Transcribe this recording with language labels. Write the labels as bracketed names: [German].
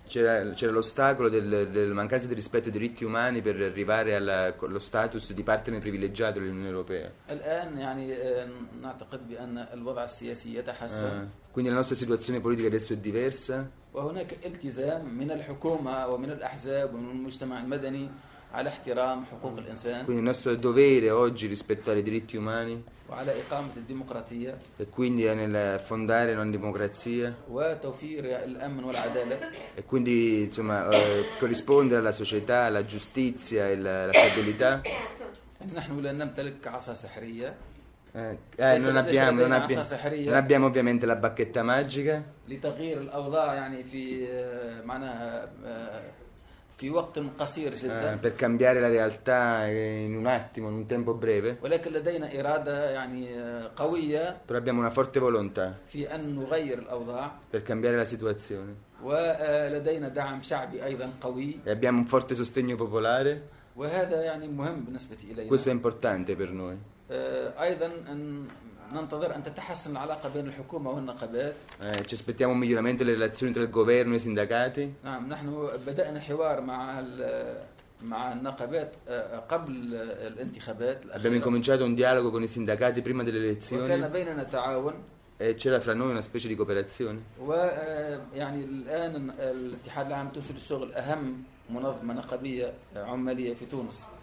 [Italian] c'era l'ostacolo del mancanza di rispetto dei diritti umani per arrivare allo status di partner privilegiato dell'Unione Europea. [Arabic] الان يعني نعتقد بان الوضع السياسي يتحسن. [Italian] Quindi la nostra situazione politica adesso è diversa. [Arabic] وهناك التزام من الحكومه ومن الاحزاب ومن المجتمع المدني على احترام حقوق الانسان. [Italian] Quindi il nostro dovere oggi rispettare i diritti umani. [Arabic] وعلى إقامة الديمقراطية. [Italian] E quindi nel fondare una democrazia. [Arabic] وتوفير الأمن والعدالة. [Italian] E quindi insomma corrispondere alla società, alla giustizia e la stabilità. [Arabic] نحن لا نمتلك عصا سحرية. [Italian] Non abbiamo ovviamente la bacchetta magica. [Arabic] لتغيير الأوضاع يعني في معناها في وقت قصير جدا. [Italian] Per cambiare la realtà in un attimo, in un tempo breve. [Arabic] ولكن لدينا إرادة يعني قوية. [Italian] Però abbiamo una forte volontà. [Arabic] في أن نغير الأوضاع. [Italian] Per cambiare la situazione. [Arabic] ولدينا دعم شعبي أيضا قوي. [Italian] E abbiamo un forte sostegno popolare. [Arabic] وهذا يعني مهم بالنسبة إلينا. [Italian] Questo è importante per noi. [Arabic] أيضا ننتظر أن تتحسن العلاقة بين الحكومة والنقابات. [Italian] Ci aspettiamo un miglioramento delle relazioni tra il governo e i sindacati. [Arabic] نعم نحن بدأنا حوار مع النقابات قبل الانتخابات. [Italian] Abbiamo incominciato un dialogo con i sindacati prima delle elezioni. [Arabic] وكان بيننا تعاون. [Italian] E c'era fra noi una specie di cooperazione. [Arabic] ويعني الآن الاتحاد العام التونسي للشغل أهم منظمة نقابية عمالية في تونس.